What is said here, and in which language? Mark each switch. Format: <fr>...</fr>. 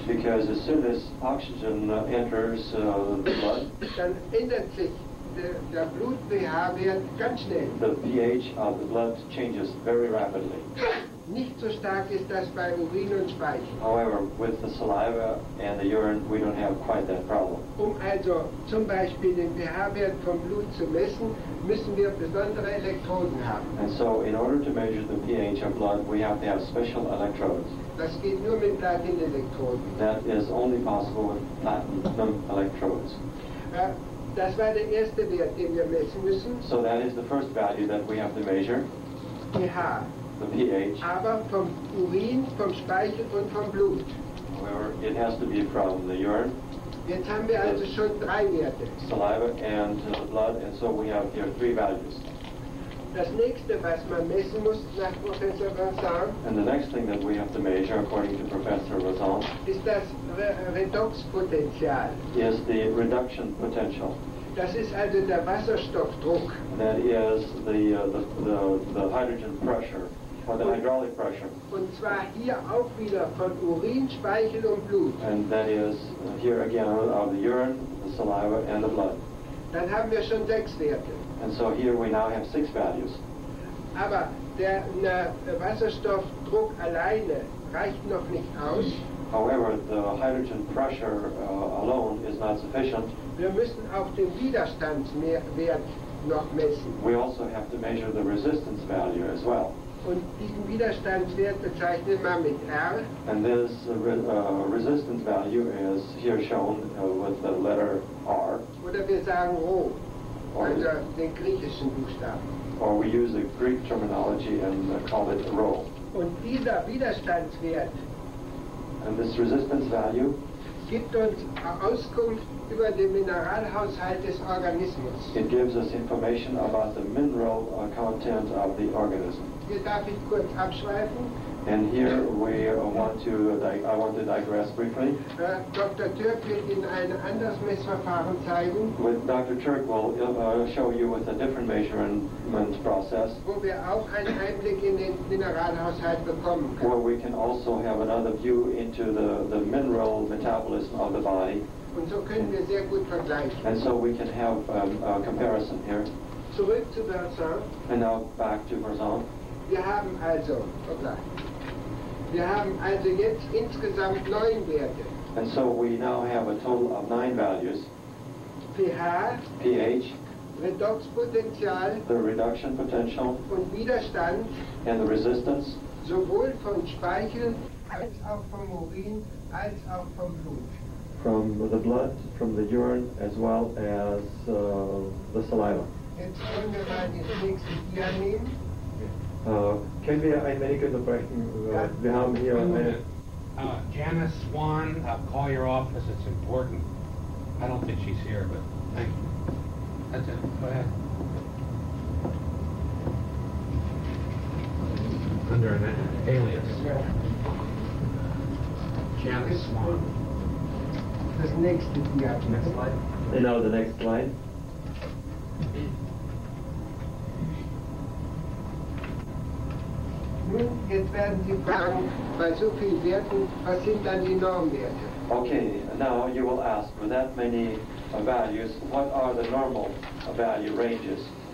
<en>because as soon as oxygen enters the blood,</en> <de>dann ändert sich der Blut pH-Wert ganz schnell.</de> <en>The pH of the blood changes very rapidly.</en> <de>Nicht so stark ist das bei Urin und Speichel.</de> <en>However, with the saliva and the urine, we don't have quite that problem.</en> <de>Um also zum Beispiel den pH-Wert vom Blut zu messen, müssen wir besondere Elektroden haben.</de> <en>And so, in order to measure the pH of blood, we have to have special electrodes.</en> <de>Das geht nur mit Platin-Elektroden.</de> <en>That is only possible with platinum electrodes.</en> <de>Das war der erste Wert, den wir messen müssen.</de> <en>So that is the first value that we have to measure.</en> <de>pH.</de> <en>The pH.</en> <de>Aber vom Urin, vom Speichel und vom Blut.</de> <en>However, it has to be from the urine.</en> <de>Jetzt haben wir also schon drei Werte.</de> <en>Saliva and the blood, and so we have here three values.</en> <de>Das nächste, was man messen muss, sagt Professor Rosan.</de> <en>And the next thing that we have to measure, according to Professor Rosan,</en> <de>ist das Redoxpotential.</de> <en>Is the reduction potential.</en> <de>Das ist also der Wasserstoffdruck.</de> <en>That is the hydrogen pressure, or the hydraulic pressure.</en> <de>Und zwar hier auch wieder von Urin, Speichel und Blut.</de> <en>And that is here again of the urine, the saliva and the blood.</en> <de>Dann haben wir schon sechs Werte.</de> <en>And so here we now have six values.</en> <de>Aber der Wasserstoffdruck alleine reicht noch nicht aus.</de> <en>However, the hydrogen pressure alone is not sufficient.</en> <de>Wir müssen auch den Widerstandswert noch messen.</de> <en>We also have to measure the resistance value as well.</en> <de>Und diesen Widerstandswert bezeichnet man mit R.</de> <en>And this resistance value is here shown with the letter R.</en> <de>Oder wir sagen Rho, also den griechischen Buchstaben.</de> <en>Or we use the Greek terminology and call it Rho.</en> <de>Und dieser Widerstandswert,</de> <en>and this resistance value,</en> <de>gibt uns Auskunft über den Mineralhaushalt des Organismus.</de> <en>It gives us information about the mineral content of the organism.</en> <de>Hier darf ich kurz abschweifen.</de> <en>And here I want to digress briefly.</en> <de>Dr. Türk wird Ihnen ein anderes Messverfahren zeigen.</de> <en>With Dr. Türk will show you with a different measurement process.</en> <de>Wo wir auch einen Einblick in den Mineralhaushalt bekommen können.</de> <en>Where we can also have another view into the mineral metabolism of the body.</en> <de>Und so können wir sehr gut vergleichen.</de> <en>And so we can have a comparison here.</en> <de>Zurück zu Bersan.</de> <en>And now back to Bersan.</en> <de>Wir haben also jetzt insgesamt neun Werte.</de> <en>And so we now have a total of nine values.</en> <de>pH.</de> <en>pH.</en> <de>Redoxpotential.</de> <en>The reduction potential.</en> <de>Und Widerstand.</de> <en>And the resistance.</en> <de>Sowohl von Speichel als auch vom Urin als auch vom Blut.</de> <en>From the blood, from the urine, as well as the saliva.</en> <de>Jetzt können wir mal das nächste Dia nehmen. Können wir ein wenig unterbrechen? Wir haben hier eine...</de> <en>Janice Swan, I'll call your office, it's important. I don't think she's here, but thank you. That's it, go ahead. Under an alias. Janice Swan. This next is the next slide. No, the next slide.</en> <de>Jetzt werden Sie fragen, bei so vielen Werten, was sind dann die Normwerte?</de> <en>Okay, now you will ask, with that many values, what are the normal value ranges?</en>